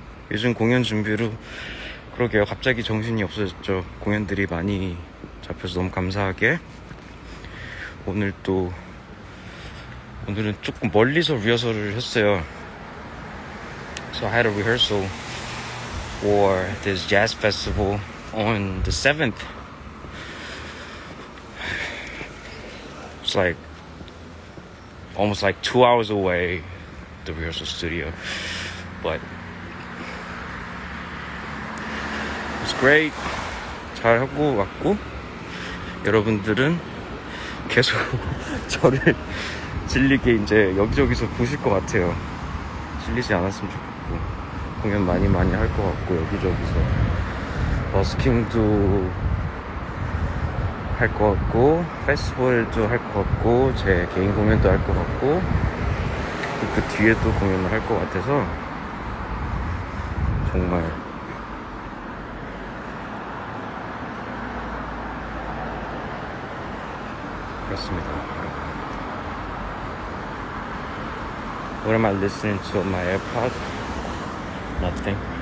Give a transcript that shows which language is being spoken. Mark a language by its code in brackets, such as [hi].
[ko] 요즘 공연 준비로 그러게요. 갑자기 정신이 없어졌죠. 공연들이 많이 잡혀서 너무 감사하게. 오늘은 조금 멀리서 리허설을 했어요. [en] So I had a rehearsal for this jazz festival on the 7th. It's like almost like 2 hours away, the rehearsal studio. But it's great. [ko] 잘 하고 왔고, 여러분들은 계속 저를 질리게 이제 여기저기서 보실 것 같아요. 질리지 않았으면 좋겠고. 공연 많이 할 것 같고, 여기저기서 버스킹도 할 것 같고, 페스티벌도 할 것 같고, 제 개인 공연도 할 것 같고, 그 뒤에도 공연을 할 것 같아서 정말 그렇습니다. [en] What am I listening to on my AirPod? Nothing.